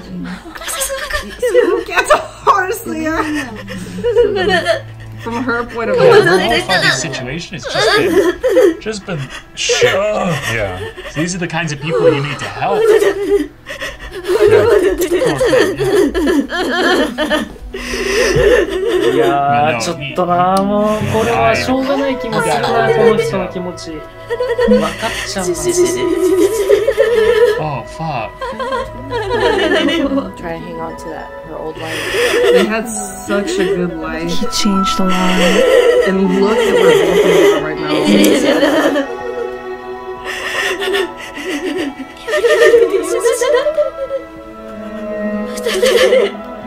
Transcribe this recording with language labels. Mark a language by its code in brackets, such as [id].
[en] Oh. Gets a horse, Leah. From her point of view, the whole fucking situation has just been shit. Yeah. These are the kinds of people you need to help. [ja] いやちょっとなもうこれはしょうがない気持ちだなこの人の気持ち分かっちゃうし。 [en] Oh fuck. Try to hang on to that her old life. They had such a good life. He changed a lot. And look at where both of them are right now.